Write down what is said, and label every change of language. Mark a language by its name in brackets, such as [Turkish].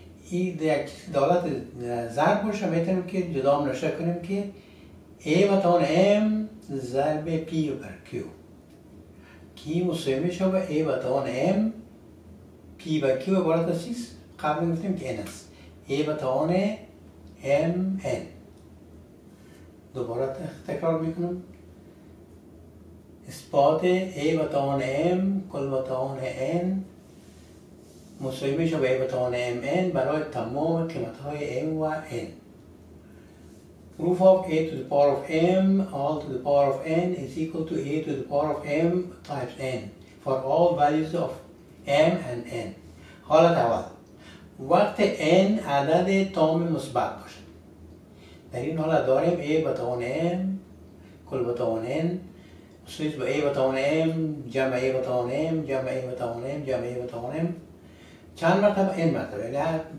[Persian] این در یک دالت ضرب باشه میتونیم که جدا هم نشه کنیم که A به توان M ضرب P بر Q، که این مساوی میشه به A به توان M P و Q عبارت از چیست؟ قبل گفتیم که N است، A به توان M N. دوباره تکرار میکنم، اثبات A به توان M کل به توان N مساوی میشه به A به توان M N برای تمام قیمت های M و N. [English] Proof of A to the power of M all to the power of N is equal to A to the power of M times N for all values of M and N. [Persian] حالت اول، وقت N عدد تام مثبت باشد، در این حالت داریم A به توان M کل به توان N مساوی به A به توان M جمع A به توان M جمع A به توان M جمع A به توان M چند مرتبه؟ N مرتبه، یعنی